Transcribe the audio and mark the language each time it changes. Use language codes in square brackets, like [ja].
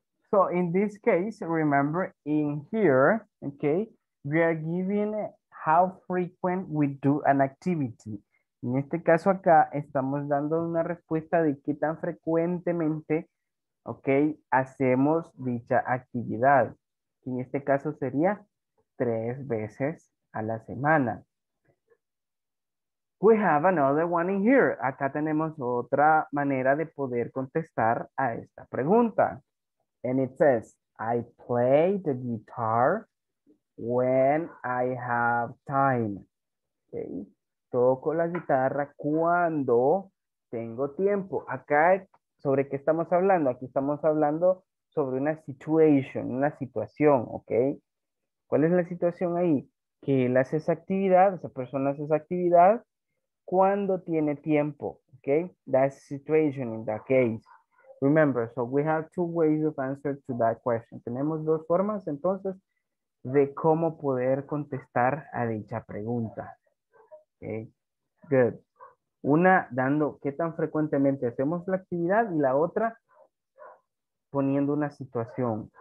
[en] So in this case, remember in here, okay, we are giving how frequent we do an activity. [es] En este caso acá, estamos dando una respuesta de qué tan frecuentemente, okay, hacemos dicha actividad. En este caso sería 3 veces a la semana. [en] We have another one in here. [es] Acá tenemos otra manera de poder contestar a esta pregunta. [en] And it says, I play the guitar when I have time. [es] Okay. Toco la guitarra cuando tengo tiempo. Acá, ¿sobre qué estamos hablando? Aquí estamos hablando sobre una situation, una situación, ¿ok? ¿Cuál es la situación ahí? Que él hace esa actividad, esa persona hace esa actividad cuando tiene tiempo, ¿ok? [en] That's situation in that case. Remember, so we have 2 ways of answer to that question. [es] Tenemos 2 formas, entonces, de cómo poder contestar a dicha pregunta. Okay, good. Una, dando qué tan frecuentemente hacemos la actividad, y la otra, poniendo una situación.